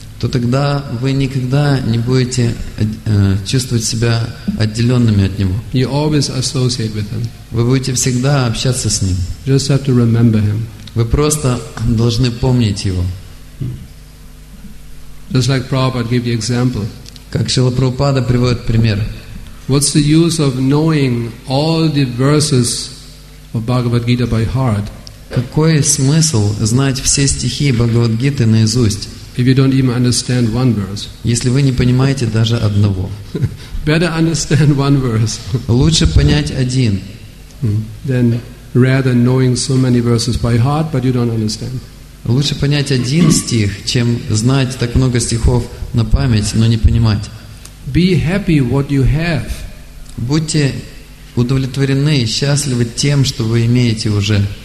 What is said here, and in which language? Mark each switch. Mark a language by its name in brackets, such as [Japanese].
[Russian] то тогда вы никогда не будете чувствовать себя отделенными от него. [English] You always associate with him. [Russian] Вы будете всегда общаться с ним. [English] Just have to remember him. [Russian] Вы просто должны помнить его. [English] Just like Prabhupada gave the example. [Russian] Как Шрила Прабхупада приводит пример. [English] What's the use of knowing all the verses of Bhagavad Gita by heart? [Russian] Какой смысл знать все стихи Бхагавад-гиты наизусть? [English] If you don't even understand one verse. [Russian] Если вы не понимаете даже одного. [English] Better understand one verse. [Russian] Лучше понять один. [English] Then rather knowing so many verses by heart, but you don't understand. [Russian] Лучше понять один стих, чем знать так много стихов на память, но не понимать. [English] Be happy what you have. [Russian] Будьте удовлетворены и счастливы тем, что вы имеете уже.